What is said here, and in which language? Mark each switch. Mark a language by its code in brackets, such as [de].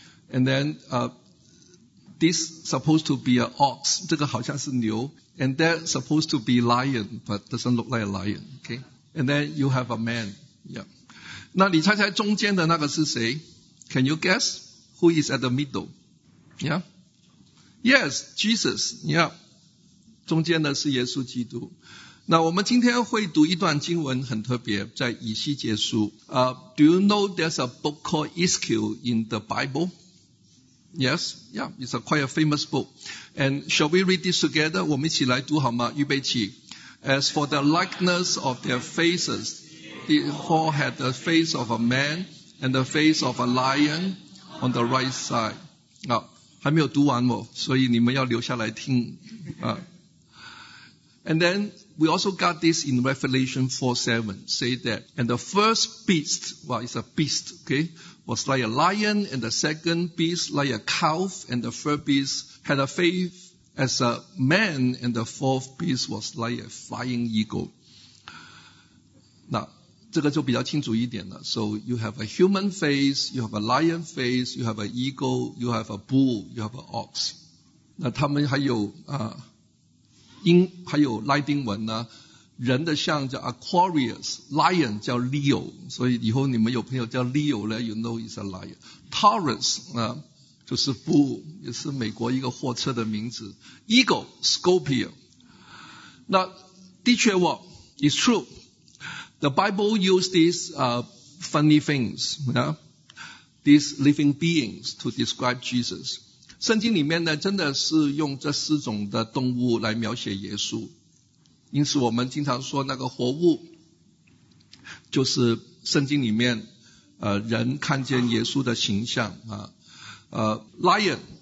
[en] And then this supposed to be an ox, [zh] 这个好像是牛 [en] and that supposed to be lion, but doesn't look like a lion, okay. And then you have a man, yeah. [zh] 那你猜猜中间的那个是谁？ [en] Can you guess who is at the middle? Yeah. Yes, Jesus, yeah. [zh] 中间的是耶稣基督。那我们今天会读一段经文很特别，在以西结书。 [en] Do you know there's a book called Ezekiel in the Bible? Yes? Yeah, it's a quite a famous book. And shall we read this together? [zh] 我们一起来读好吗？预备起。 [en] As for the likeness of their faces, the hall had the face of a man and the face of a lion on the right side. [zh] 啊，还没有读完哦，所以你们要留下来听啊。 [en] And then we also got this in Revelation 4:7, say that, and the first beast, well, it's a beast, okay, was like a lion, and the second beast like a calf, and the third beast had a face as a man, and the fourth beast was like a flying eagle. [zh] 那这个就比较清楚一点了。 [en] So you have a human face, you have a lion face, you have an eagle, you have a bull, you have an ox. [zh] 那他们还有鹰还有拉丁文呢，人的像叫 Aquarius, lion 叫 Leo, 所以以后你们有朋友叫 Leo, [en] you know he's a lion. [zh] Taurus, 就是 Bull, 也是美国一个货车的名字。 [en] Eagle, Scorpio. [zh] 那的确 [en] what? It's true. The Bible used these funny things, these living beings to describe Jesus. [zh] 圣经里面呢，真的是用这四种的动物来描写耶稣，因此我们经常说那个活物就是圣经里面人看见耶稣的形象啊。Lion